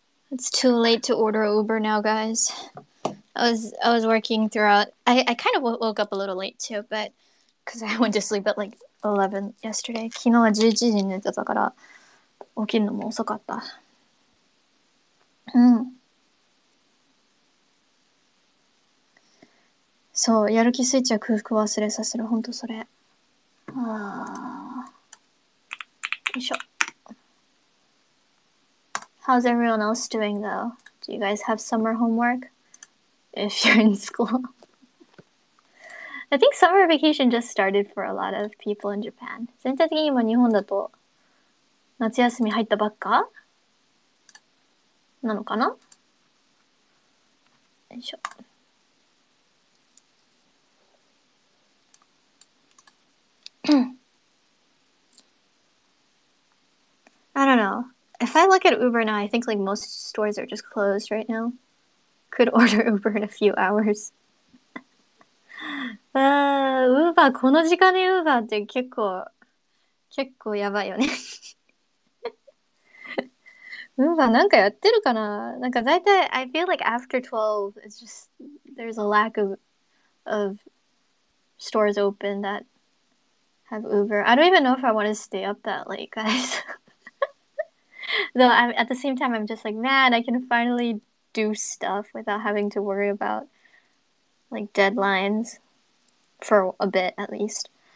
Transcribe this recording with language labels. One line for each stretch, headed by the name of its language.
English: It's too late to order Uber now, guys. I was working throughout. I kind of woke up a little late too, but because I went to sleep at like 11 yesterday.
Japanese: 昨日は11時に寝てたから。起きるのも遅かった。うん。そう、やる気スイッチは空腹忘れさせる、ほんとそれ。よいしょ。
English: How's everyone else doing though? Do you guys have summer homework? If you're in school. I think summer vacation just started for a lot of people in Japan.
Japanese: 全体的に今日本だと夏休み入ったばっかなのかな。よいしょ。
English: I don't know. If I look at Uber now, I think like most stores are just closed right now. Could order Uber in a few hours.
Japanese: Uber この時間で Uber って結構やばいよね。ウーバーなんかやってるかな。なんか大体
English: I feel like after 12 it's just there's a lack of stores open that have Uber. I don't even know if I want to stay up that late, guys. Though at the same time I'm just like, man, I can finally do stuff without having to worry about like deadlines for a bit at least.